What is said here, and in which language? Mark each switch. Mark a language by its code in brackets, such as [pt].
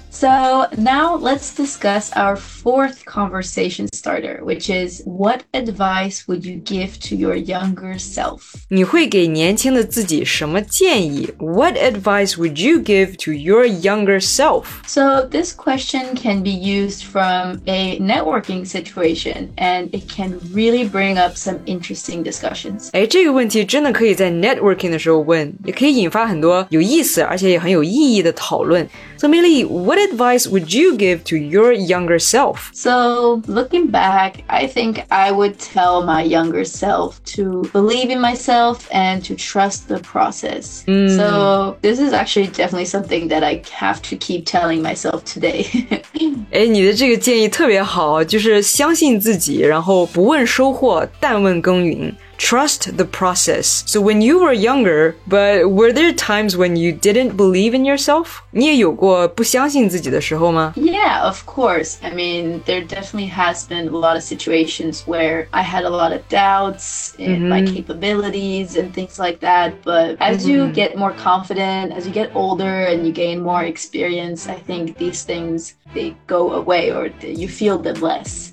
[en] So now let's discuss our fourth conversation starter, which is, what advice would you give to your younger self? [zh] 你会给年轻的自己什么建议? [en] What advice would you give to your younger self? So this question can be used from a networking situation, and it can really bring up some interesting discussions. [zh] 哎，这个问题真的可以在 networking 的时候问，也可以引发很多有意思而且也很有意义的讨论。 [en] So Meili, what advice would you give to your younger self? So looking back, I think I would tell my younger self to believe in myself and to trust the process. So this is actually definitely something that I have to keep telling myself today. [zh] 哎，你的这个建议特别好，就是相信自己，然后不问收获，但问耕耘。 [en] Trust the process. So when you were younger, but were there times when you didn't believe in yourself? [zh] 你也有过不相信自己的时候吗? [en] Yeah, of course. I mean, there definitely has been a lot of situations where I had a lot of doubts in my capabilities and things like that. But as you get more confident, as you get older and you gain more experience, I think these things, they go away or you feel them less.